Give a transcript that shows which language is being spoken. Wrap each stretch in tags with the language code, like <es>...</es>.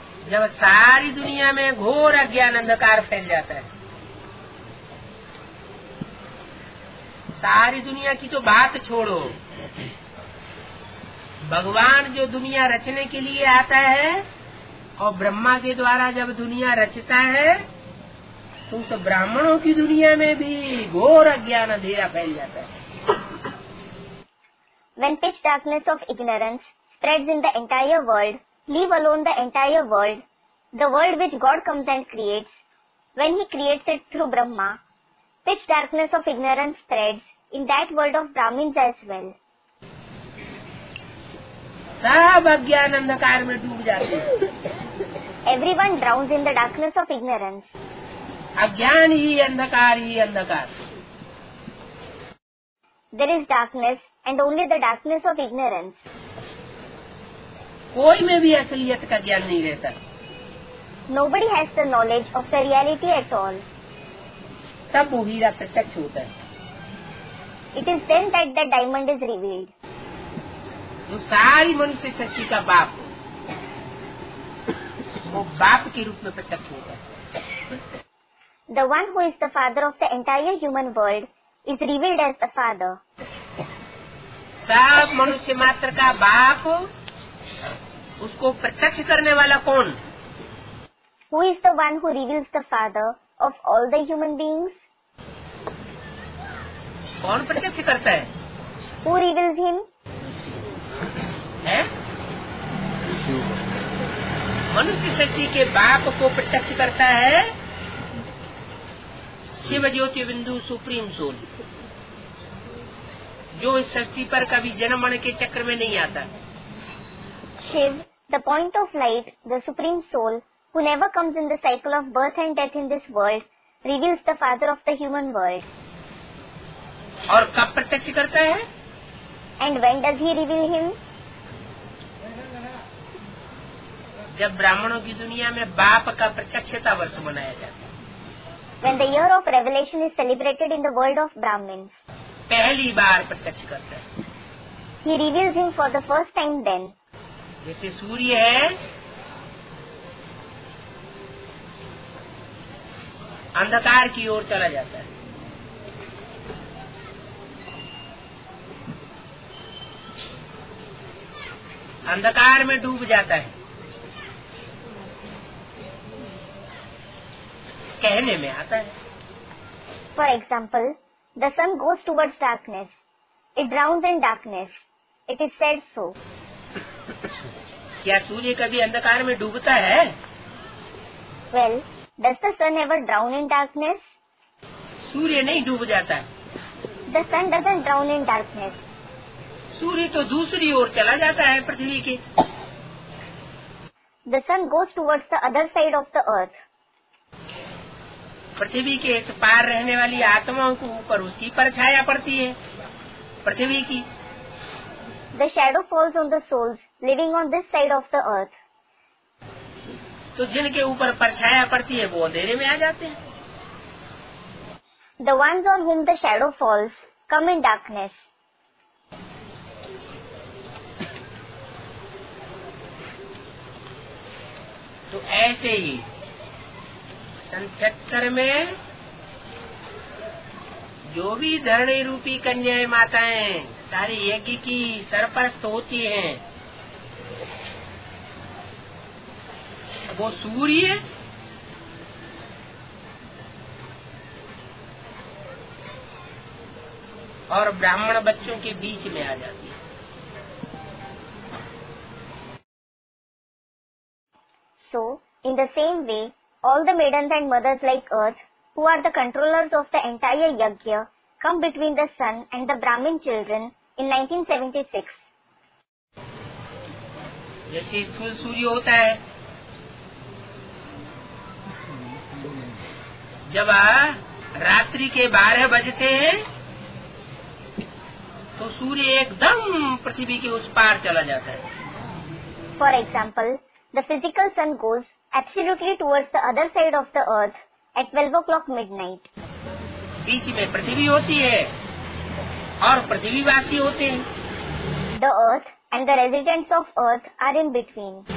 <hi>जब सारी दुनिया में घोर अज्ञान अंधकार फैल जाता है सारी दुनिया की तो बात छोड़ो भगवान जो दुनिया रचने के लिए आता है और ब्रह्मा के द्वारा जब दुनिया रचता है तो उस ब्राह्मणों की दुनिया में भी घोर अज्ञान अंधेरा फैल जाता है।</hi> <en>When pitch darkness of ignorance spreads in the entire world, leave alone the world which God comes and creates, when He creates it through Brahma, pitch darkness of ignorance spreads in that world of Brahmins as well.</en> <hi>सब अज्ञान अंधकार में डूब जाते हैं।</hi> <en>Everyone drowns in the darkness of ignorance.</en> <hi>अज्ञान ही अंधकार ही अंधकार।</hi> <en>There is darkness and only the darkness of ignorance.</en> <hi>कोई में भी असलियत का ज्ञान नहीं रहता।</hi> <en>Nobody has the knowledge of the reality at all.</en> <hi>तब वो हीरा प्रत्यक्ष होता है।</hi> <en>It is then that the diamond is revealed.</en> <hi>वो सारी मनुष्य शक्ति का बाप वो बाप के रूप में प्रत्यक्ष होता है।</hi> <en>The one who is the father of the entire human world is revealed as the father.</en> <hi>सब मनुष्य मात्र का बाप उसको प्रत्यक्ष करने वाला कौन?</hi> <en>Who is the one who reveals the father of all the human beings?</en> <hi>कौन प्रत्यक्ष करता है?</hi> <en>Who reveals him?</en> <hi>मनुष्य शक्ति के बाप को प्रत्यक्ष करता है शिव ज्योति बिंदु सुप्रीम सोल जो इस सृष्टि पर कभी जन्म मरण के चक्र में नहीं आता।</hi> <en>Shiva the point of light the supreme soul who never comes in the cycle of birth and death in this world reveals the father of the human world.</en> <hi>और कब प्रत्यक्ष करता है?</hi> <en>And when does he reveal him?</en> <hi>जब ब्राह्मणों की दुनिया में बाप का प्रत्यक्षता वर्ष मनाया जाता है।</hi> <en>When the year of revelation is celebrated in the world of Brahmins,</en> <hi>पहली बार प्रत्यक्ष करता है।</hi> <en>He reveals him for the first time then.</en> <hi>जैसे सूर्य है अंधकार की ओर चला जाता है अंधकार में डूब जाता है कहने में आता है।</hi> <en>For example the sun goes towards darkness it drowns in darkness it is said so.</en> <hi>क्या सूर्य कभी अंधकार में डूबता है?</hi> <en>Well Does the sun ever drown in darkness?</en> <hi>सूर्य नहीं डूब जाता है.</hi> <en>The sun doesn't drown in darkness.</en> <hi>सूर्य तो दूसरी ओर चला जाता है पृथ्वी के.</hi> <en>The sun goes towards the other side of the earth.</en> <hi>पृथ्वी के इस पार रहने वाली आत्माओं के ऊपर उसकी परछाया पड़ती है पृथ्वी की.</hi> <en>The shadow falls on the souls living on this side of the earth.</en> <hi>तो जिनके ऊपर परछाया पड़ती है वो अंधेरे में आ जाते हैं.</hi> <en>The ones on whom the shadow falls come in darkness.</en> <hi>तो ऐसे ही संचक्र में जो भी धरणी रूपी कन्याएं माताएं सारी यज्ञ की सरपरस्त होती हैं, वो सूर्य और ब्राह्मण बच्चों के बीच में आ जाती है.</hi> <en>So in the same way All the maidens and mothers like Earth, who are the controllers of the entire Yajna, come between the sun and the Brahmin children in 1976.</en> <hi>जैसे स्थूल सूर्य होता है, जब रात्रि के 12 बजते हैं, तो सूर्य एकदम पृथ्वी के उस पार चला जाता है.</hi> <en>For example, the physical sun goes absolutely towards the other side of the earth at 12 o'clock midnight.</en> <hi>बीच में पृथ्वी होती है और पृथ्वीवासी होते हैं.</hi> <en>The earth and the residents of earth are in between.</en>